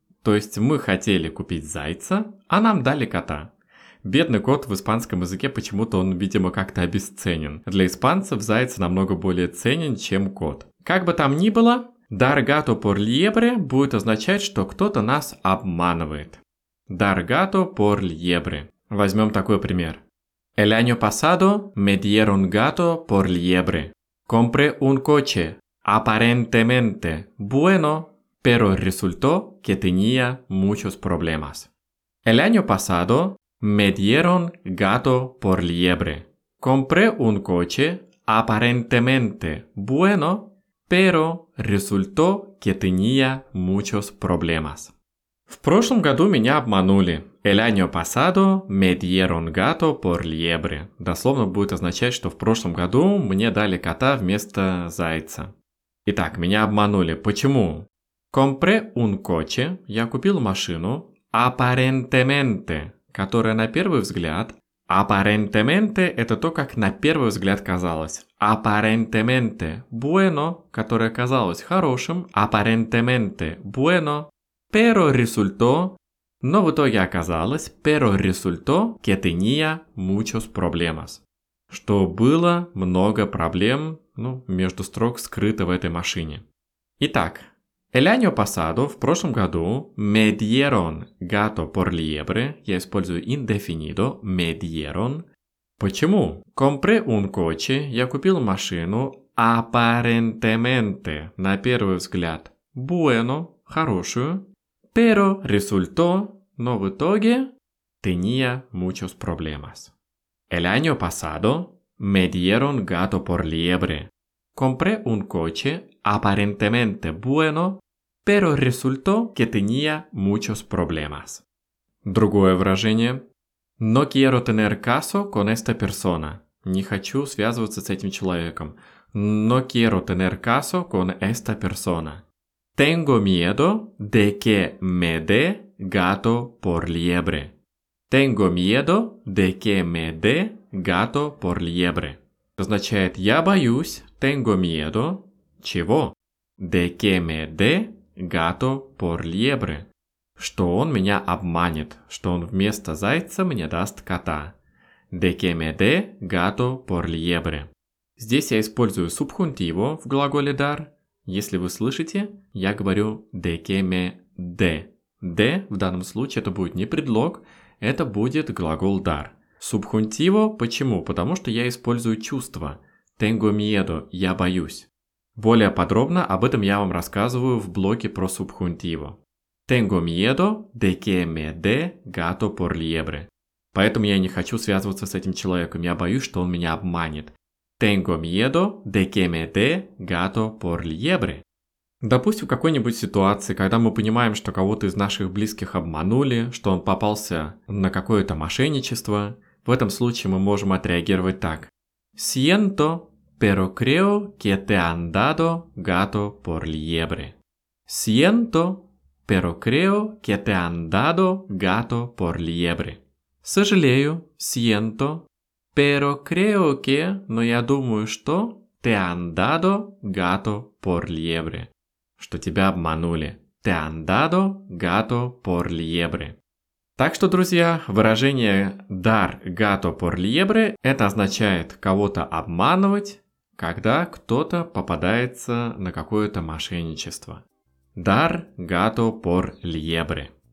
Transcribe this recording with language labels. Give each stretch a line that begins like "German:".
Russian: То есть мы хотели купить зайца, а нам дали кота. Бедный кот в испанском языке почему-то он, видимо, как-то обесценен. Для испанцев заяц намного более ценен, чем кот. Как бы там ни было,
Spanish: dar gato por liebre
Russian: будет означать, что кто-то нас обманывает.
Spanish: Dar gato por liebre.
Russian: Возьмем такой пример.
Spanish: El año pasado me dieron gato por liebre. Compré un coche, aparentemente bueno, pero resultó que tenía muchos problemas. El año pasado me dieron gato por liebre. Compré un coche aparentemente bueno, pero resultó que tenía muchos problemas.
Russian: В прошлом году меня обманули.
Spanish: El año pasado me dieron gato por liebre.
Russian: Дословно будет означать, что в прошлом году мне дали кота вместо зайца. Итак, меня обманули. Почему?
Spanish: Compré un coche.
Russian: Я купил машину.
Spanish: Aparentemente.
Russian: Которая на первый взгляд,
Spanish: aparentemente,
Russian: это то, как на первый взгляд казалось.
Spanish: Aparentemente, bueno,
Russian: которое казалось хорошим.
Spanish: Aparentemente, bueno. Pero resultó,
Russian: но в итоге оказалось,
Spanish: pero resultó que tenía muchos problemas.
Russian: Что было много проблем, ну, между строк скрыто в этой машине. Итак,
Spanish: El año pasado,
Russian: в прошлом году,
Spanish: me dieron gato por liebre,
Russian: я использую
Spanish: indefinido, me dieron.
Russian: Почему?
Spanish: Compré un coche,
Russian: я купил машину,
Spanish: aparentemente,
Russian: на первый взгляд,
Spanish: bueno,
Russian: хорошую,
Spanish: pero resultó,
Russian: но в итоге,
Spanish: tenía muchos problemas. El año pasado, me dieron gato por liebre. Compré un coche, aparentemente, bueno, pero resultó que tenía muchos problemas.
Russian: Другое выражение.
Spanish: No quiero tener caso con esta persona.
Russian: Не хочу связываться с этим человеком.
Spanish: No quiero tener caso con esta persona. Tengo miedo de que me dé gato por liebre. Tengo miedo de que me dé gato por liebre.
Russian: Означает, я боюсь,
Spanish: tengo miedo.
Russian: Чего?
Spanish: De que me dé gato por liebre,
Russian: что он меня обманет, что он вместо зайца мне даст кота.
Spanish: De que me dé gato por liebre.
Russian: Здесь я использую субхунтиво в глаголе dar. Если вы слышите, я говорю
Spanish: de que me dé.
Russian: De в данном случае это будет не предлог, это будет глагол dar. Субхунтиво почему? Потому что я использую чувство.
Spanish: Tengo miedo,
Russian: я боюсь. Более подробно об этом я вам рассказываю в блоке про субхунтиво.
Spanish: Tengo miedo de que me dé gato por liebre.
Russian: Поэтому я не хочу связываться с этим человеком, я боюсь, что он меня обманет.
Spanish: Tengo miedo de que me dé gato por liebre.
Russian: Допустим, в какой-нибудь ситуации, когда мы понимаем, что кого-то из наших близких обманули, что он попался на какое-то мошенничество, в этом случае мы можем отреагировать так.
Spanish: Siento... Pero creo que te han dado gato por liebre. Siento, pero creo que te han dado gato por liebre.
Russian: Сожалею,
Spanish: siento, pero creo que,
Russian: но я думаю, что
Spanish: te han dado gato por liebre.
Russian: Что тебя обманули.
Spanish: Te han dado gato por liebre.
Russian: Так что, друзья, выражение
Spanish: dar gato por liebre
Russian: это означает кого-то обманывать, когда кто-то попадается на какое-то мошенничество.
Spanish: Dar gato por liebre.